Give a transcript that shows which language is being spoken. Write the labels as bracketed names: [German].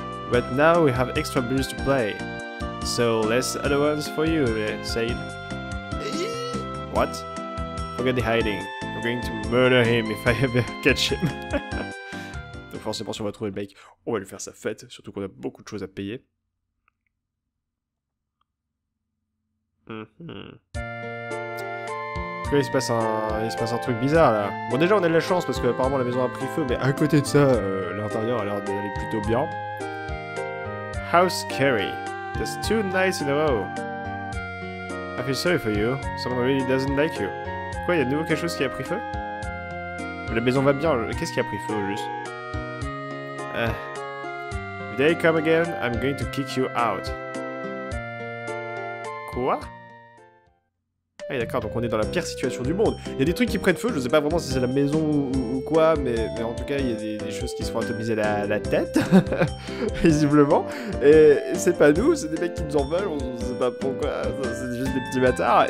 [English] But now we have extra bills to play. So, less allowance for you, Said. What? Forget the hiding. I'm going to murder him if I ever catch him. [French] Donc forcément, si on va trouver le mec, on va lui faire sa fête, surtout qu'on a beaucoup de choses à payer. Mm-hmm. Là, il se passe un truc bizarre, là. Bon, déjà, on a de la chance, parce qu'apparemment, la maison a pris feu, mais à côté de ça, l'intérieur a l'air d'aller plutôt bien. [English] How scary. That's two nights in a row. I feel sorry for you. Someone really doesn't like you. [French] Quoi, y'a de nouveau quelque chose qui a pris feu? La maison va bien, qu'est-ce qui a pris feu, juste? [English] If they come again, I'm going to kick you out. [French] Quoi? Ah, d'accord, donc on est dans la pire situation du monde. Y'a des trucs qui prennent feu, je sais pas vraiment si c'est la maison ou quoi, mais en tout cas, y'a des choses qui se font atomiser la tête, visiblement. Et c'est pas nous, c'est des mecs qui nous en veulent, on sait pas pourquoi, c'est juste des petits bâtards.